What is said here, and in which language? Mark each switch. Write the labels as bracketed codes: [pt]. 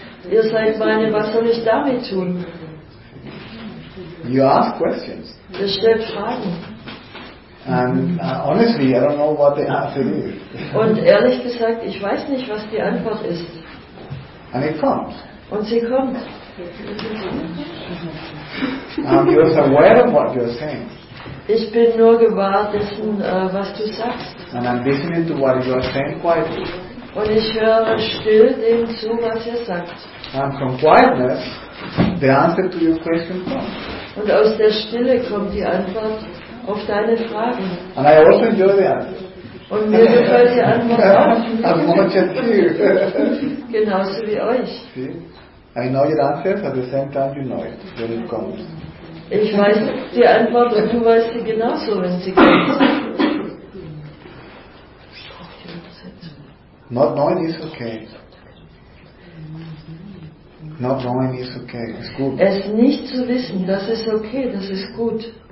[de] Ihr seid meine, was soll ich damit tun? [en] You ask questions. [de] Ihr stellt Fragen. [en] And honestly, I don't know what the answer is. [de] Und ehrlich gesagt, ich weiß nicht, was die Antwort ist. [en] And it comes. [de] Und sie kommt. [en] I'm just aware of what you're saying. [de] Ich bin nur gewahr dessen, was du sagst. [en] And I'm listening to what you are saying quietly. [de] Und ich höre still dem zu, was ihr sagt. [en] And from quietness, the answer to your question comes. [de] Und aus der Stille kommt die Antwort auf deine Fragen. [en] And I also enjoy the answer. [de] Und mir gefällt die Antwort auch. [en] As much as you. [de] Genauso wie euch. [en] See? I know your answer, at the same time you know it, when it comes. [de] Ich weiß die Antwort und du weißt sie genauso, wenn sie kommt. [en] Not knowing is okay. Not knowing is okay. It's good. [de] Es nicht zu wissen, das ist okay, das ist gut.